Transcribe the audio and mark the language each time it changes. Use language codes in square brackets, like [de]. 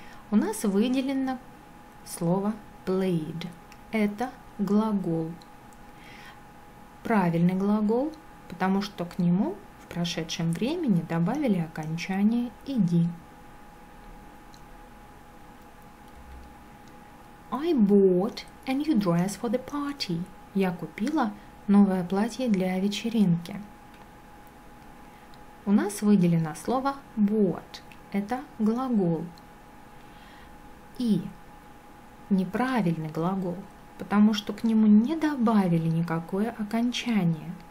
[ru] У нас выделено слово played. Это глагол. Правильный глагол, потому что к нему в прошедшем времени добавили окончание -ed. [en] I bought a new dress for the party. [ru] Я купила новое платье для вечеринки. У нас выделено слово bought. Это глагол. И неправильный глагол, потому что к нему не добавили никакое окончание.